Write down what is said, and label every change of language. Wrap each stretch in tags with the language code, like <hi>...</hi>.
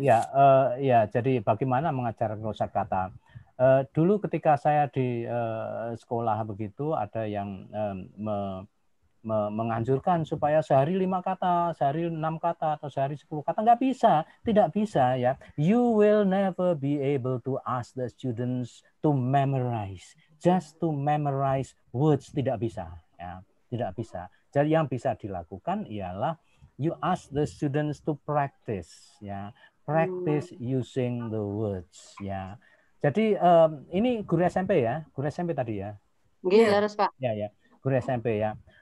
<id>Ya, ya. Jadi bagaimana mengajar kosakata? Dulu ketika saya di sekolah begitu, ada yang menganjurkan supaya sehari 5 kata, sehari 6 kata, atau sehari 10 kata. Nggak bisa, tidak bisa ya.</id> <en>You will never be able to ask the students to memorize, just to memorize words.</en> <id>Tidak bisa, ya, tidak bisa. Jadi yang bisa dilakukan ialah</id> <en>you ask the students to practice,</en> <id>ya,</id> <en>practice using the words,</en> <id>ya. Jadi ini guru SMP ya, guru SMP tadi ya. Iya, yeah, harus Pak. Ya, ya, guru SMP ya.</id>